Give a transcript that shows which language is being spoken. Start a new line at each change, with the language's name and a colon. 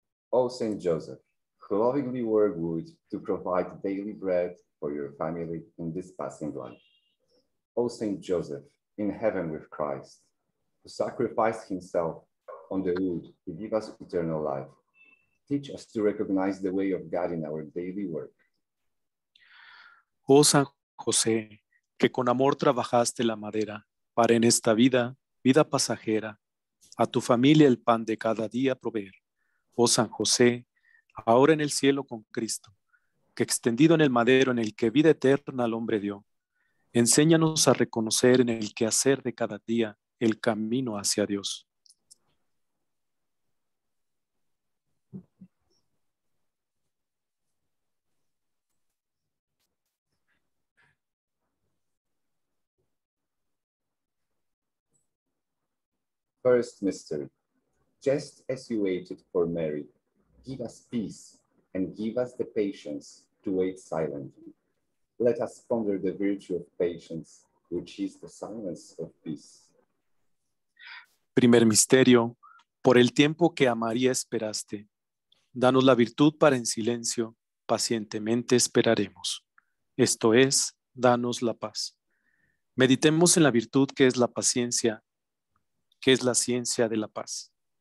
English: Oh, Saint Joseph, who lovingly work wood to provide daily bread for your family in this passing life. Oh, Saint Joseph, in heaven with Christ, who sacrificed himself on the wood to give us eternal life, teach us to recognize the way of God in our daily work.
Spanish: Oh, San José, que con amor trabajaste la madera para en esta vida, vida pasajera, a tu familia el pan de cada día proveer. Oh, San José, ahora en el cielo con Cristo, que extendido en el madero en el que vida eterna al hombre dio, enséñanos a reconocer en el quehacer de cada día el camino hacia Dios.
English: First mystery, just as you waited for Mary, give us peace and give us the patience to wait silently. Let us ponder the virtue of patience, which is the silence of peace.
Spanish: Primer misterio, por el tiempo que a María esperaste, danos la virtud para en silencio, pacientemente esperaremos. Esto es, danos la paz. Meditemos en la virtud que es la paciencia, que es la ciencia de la paz.